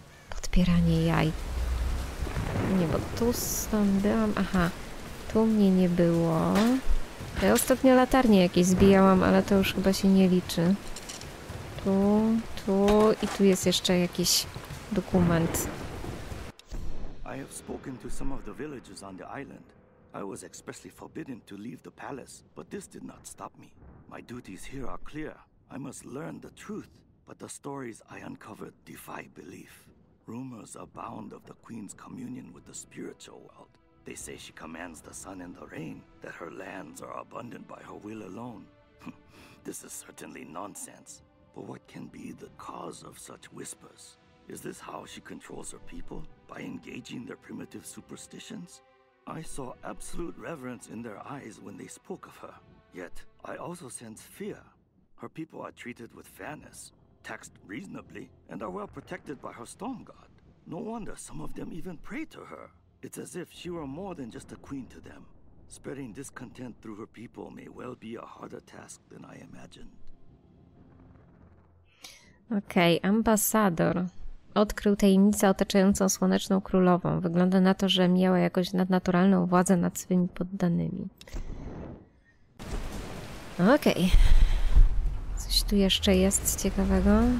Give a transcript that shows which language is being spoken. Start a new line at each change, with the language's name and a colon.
Polish: Podbieranie jaj. Nie, bo tu stąd byłam. Aha, tu mnie nie było. Ja ostatnio latarnie jakieś zbijałam, ale to już chyba się nie liczy. Tu, tu i tu jest jeszcze jakiś dokument. I
English: have spoken to some of the villagers on the island. I was expressly forbidden to leave the palace, but this did not stop me. My duties here are clear. I must learn the truth, but the stories I uncovered defy belief. Rumors abound of the queen's communion with the spiritual world. They say she commands the sun and the rain, that her lands are abundant by her will alone. This is certainly nonsense. But what can be the cause of such whispers? Is this how she controls her people? By engaging their primitive superstitions? I saw absolute reverence in their eyes when they spoke of her. Yet, I also sense fear. Her people are treated with fairness, taxed reasonably, and are well protected by her storm god. No wonder some of them even pray to her. It's as if she were more than just a queen to them. Spreading discontent through her people may well be a harder task than I imagined.
Polish: Okej, okay, ambasador odkrył tajemnicę otaczającą Słoneczną Królową. Wygląda na to, że miała jakąś nadnaturalną władzę nad swymi poddanymi. Okej. Okay. Coś tu jeszcze jest ciekawego.